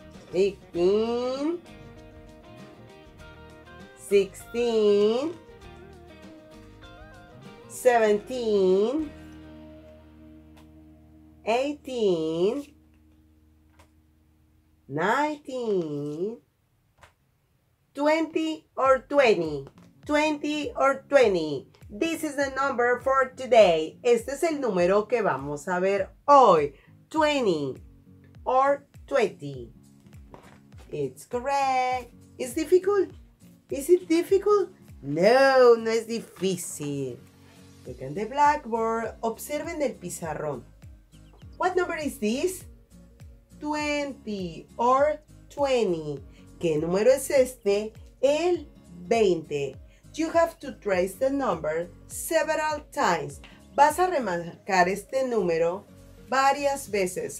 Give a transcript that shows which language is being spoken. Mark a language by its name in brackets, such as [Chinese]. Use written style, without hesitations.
[English] 15, 16, 17, 18, 19, 20 or 20, 20 or 20. This is the number for today. [Spanish] Este es el número que vamos a ver hoy. [English] 20 or 20. It's correct. Is difficult? Is it difficult? [Spanish] No, no es difícil. [English] Look at the blackboard. [Spanish] Observen el pizarrón. [English] What number is this? [Spanish] 20 or 20. ¿Qué número es este? El 20. [English] You have to trace the number several times. [Spanish] Vas a remarcar este número varias veces.